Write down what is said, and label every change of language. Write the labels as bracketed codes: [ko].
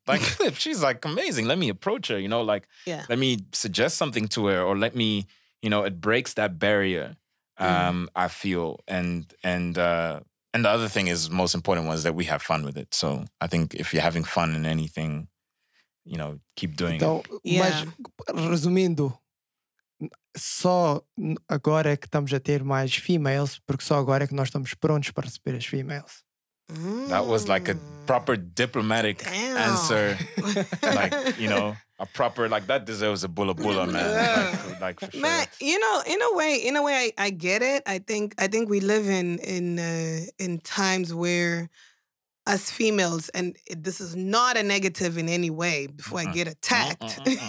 [en] Like, she's like amazing. Let me approach her, you know, like, yeah, let me suggest something to her, or let me, you know, it breaks that barrier, I feel. And the other thing is, most important one, is that we have fun with it. So I think if you're having fun in anything, you know, keep doing it. Yeah. [pt] Mas, resumindo, só agora é que estamos a ter mais females, porque só agora é que nós estamos prontos para receber as females. [en] That was like a proper diplomatic answer. Like, you know, a proper, like, that deserves a bulla bulla, man. Like, for sure. Man, you know, in a way I get it. I think we live in times where us females, and this is not a negative in any way before I get attacked.